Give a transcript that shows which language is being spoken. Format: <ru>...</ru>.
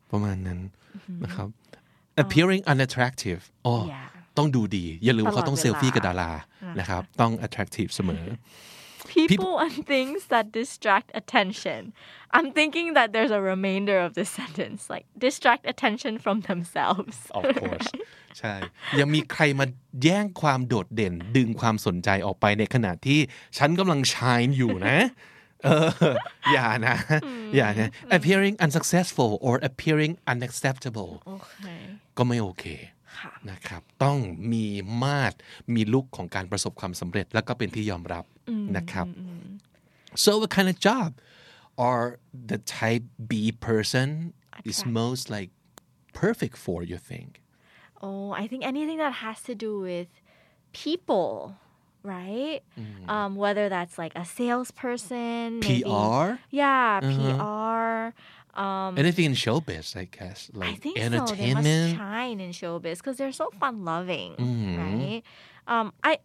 <th>ประมาณนั้นนะครับ</th> <en>appearing unattractive</en> <th>ต้องดูดีอย่าลืมเขาต้องเซลฟี่กับดารานะครับต้อง</th> <en>attractive</en> <th>เสมอ</th> <en>people and things that distract attention I'm thinking that there's a remainder of this sentence like distract attention from themselves of course</en> <th>ใช่ยังมีใครมาแย่งความโดดเด่นดึงความสนใจออกไปในขณะที่ฉันกำลังชายอยู่นะอย่านะอย่านะ</th> <en>appearing unsuccessful or appearing unacceptable</en> <th>ก็ไม่โอเ ค นะครับต้องมีมาตรมีลุคของการประสบความสำเร็จแล้วก็เป็นที่ยอมรับนะครับ</th> <en>so what kind of job are the type B person is most like perfect for you think Oh, I think anything that has to do with people, right? Whether that's like a salesperson. PR? Maybe. Yeah, PR. Anything in showbiz, I guess. Like I think entertainment. So. They must shine in showbiz because they're so fun-loving, right?</en>